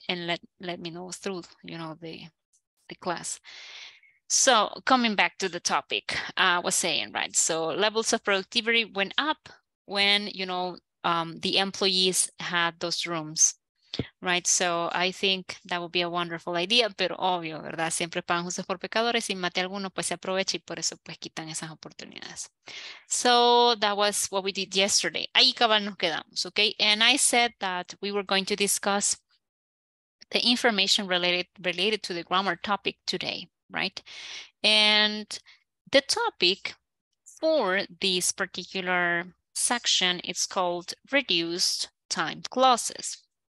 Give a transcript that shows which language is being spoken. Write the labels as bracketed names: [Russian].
[English] And let me know through, you know, the class. So coming back to the topic, I was saying, right? So levels of productivity went up when, you know, the employees had those rooms, right? So I think that would be a wonderful idea, [Spanish] pero obvio, ¿verdad? Siempre pagan justos por pecadores y mate alguno, pues se aprovecha y por eso pues quitan esas oportunidades. [English] So that was what we did yesterday. [Spanish] Ahí cabal nos quedamos, [English] okay? And I said that we were going to discuss the information related to the grammar topic today, right? And the topic for this particular section, it's called reduced time clauses.